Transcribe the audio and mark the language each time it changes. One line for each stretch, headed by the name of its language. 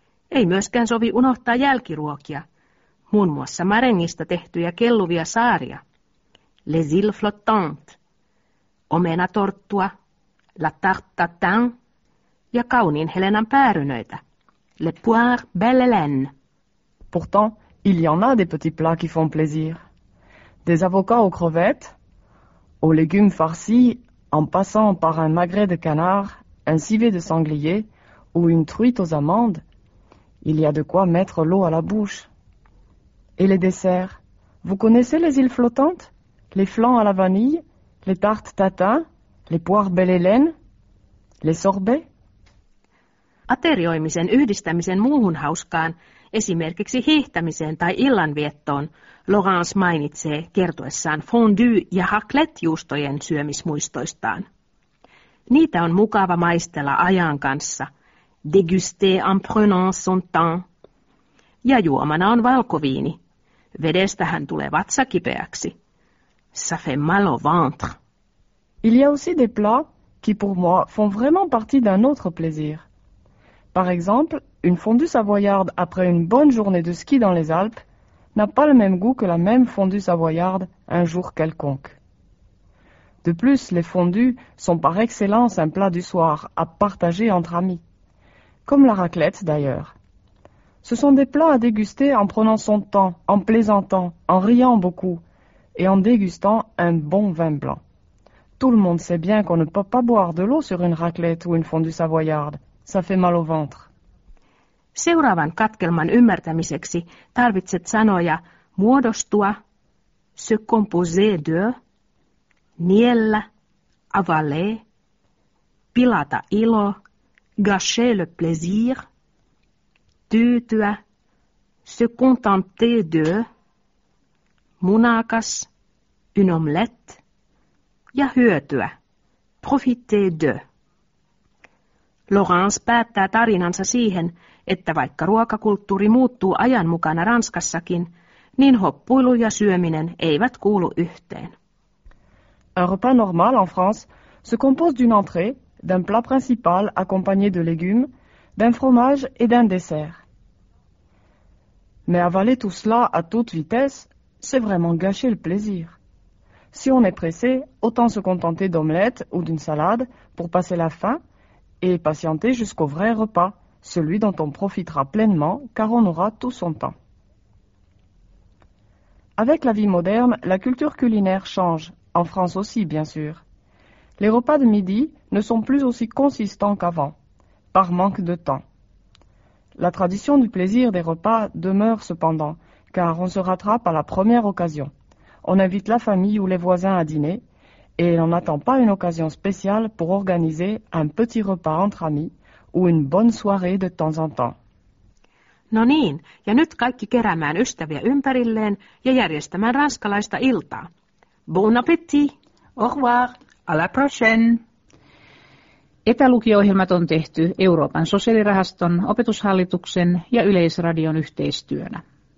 Finnish: Ei myöskään sovi unohtaa jälkiruokia, muun muassa marengista tehtyjä kelluvia saaria, les îles flottantes, omenatorttua, la tarte tatin, ja kauniin Helenan päärynöitä, le poire belle Hélène.
French: Pourtant, il y en a des petits plats qui font plaisir. Des avocats aux crevettes, aux légumes farcis, en passant par un magret de canard, un civet de sanglier ou une truite aux amandes, il y a de quoi mettre l'eau à la bouche. Et les desserts? Vous connaissez les îles flottantes? Les flans à la vanille? Les tartes tatin? Les poires belle Hélène? Les sorbets?
Finnish: Aterioimisen yhdistämisen muuhun hauskaan, esimerkiksi hiihtämiseen tai illanviettoon, Laurence mainitsee kertoessaan fondue- ja raclette-juustojen syömismuistoistaan. Niitä on mukava maistella ajan kanssa,
French: déguster en prenant son temps.
Finnish: Ja juomana on valkoviini. Vedestähän tulee vatsakipeäksi.
French: Ça fait mal au ventre. Il y a aussi des plats qui pour moi font vraiment partie d'un autre plaisir. Par exemple, une fondue savoyarde après une bonne journée de ski dans les Alpes n'a pas le même goût que la même fondue savoyarde un jour quelconque. De plus, les fondues sont par excellence un plat du soir à partager entre amis, comme la raclette d'ailleurs. Ce sont des plats à déguster en prenant son temps, en plaisantant, en riant beaucoup et en dégustant un bon vin blanc. Tout le monde sait bien qu'on ne peut pas boire de l'eau sur une raclette ou une fondue savoyarde. Ça fait mal au ventre.
Finnish: Seuraavan katkelman ymmärtämiseksi tarvitset sanoja muodostua, se composé de, niellä, avaler, pilata ilo, gâcher le plaisir, tyytyä, se contenter de, munakas, une omelette, ja hyötyä, profiter de. Laurence päättää tarinansa siihen, että vaikka ruokakulttuuri muuttuu ajan mukana Ranskassakin, niin hoppuilu ja syöminen eivät kuulu yhteen.
French: Un repas normal en France se compose d'une entrée, d'un plat principal accompagné de légumes, d'un fromage et d'un dessert. Mais avaler tout cela à toute vitesse, c'est vraiment gâcher le plaisir. Si on est pressé, autant se contenter d'omelette ou d'une salade pour passer la faim, et patienter jusqu'au vrai repas, celui dont on profitera pleinement, car on aura tout son temps. Avec la vie moderne, la culture culinaire change, en France aussi bien sûr. les repas de midi ne sont plus aussi consistants qu'avant, par manque de temps. La tradition du plaisir des repas demeure cependant, car on se rattrape à la première occasion. On invite la famille ou les voisins à dîner, et on n'attend pas une occasion spéciale pour organiser un petit repas entre amis ou une bonne soirée de temps en temps.
Finnish: No niin, ja nyt kaikki keräämään ystäviä ympärilleen ja järjestämään ranskalaista iltaa.
French: Bon appétit! Au revoir! À la prochaine!
Finnish: Etälukio-ohjelmat on tehty Euroopan sosiaalirahaston, opetushallituksen ja Yleisradion yhteistyönä.